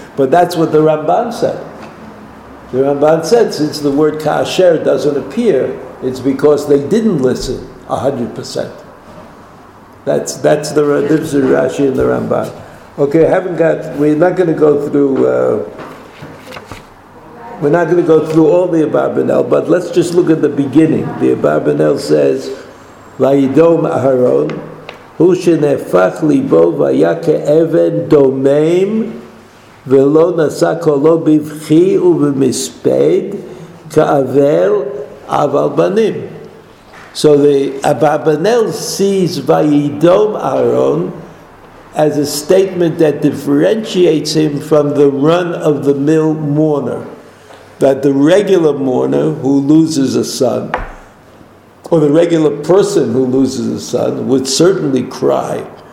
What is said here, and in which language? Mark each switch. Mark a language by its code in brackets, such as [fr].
[en] But that's what the Ramban said. The Ramban said, since the word kasher doesn't appear, it's because they didn't listen 100%. That's the difference between Rashi and the Ramban. Okay, we're not going to go through all the Abarbanel, but let's just look at the beginning. The Abarbanel says, [he] Vayidom Aharon, Hu shenefach libo vayake even domeim, ולא נשא קולו בבכי ובמספד כאבל אבל בנים. [en] So the Ababanel sees Vayidom Aaron as a statement that differentiates him from the run-of-the-mill mourner, that the regular mourner who loses a son, or the regular person who loses a son, would certainly cry.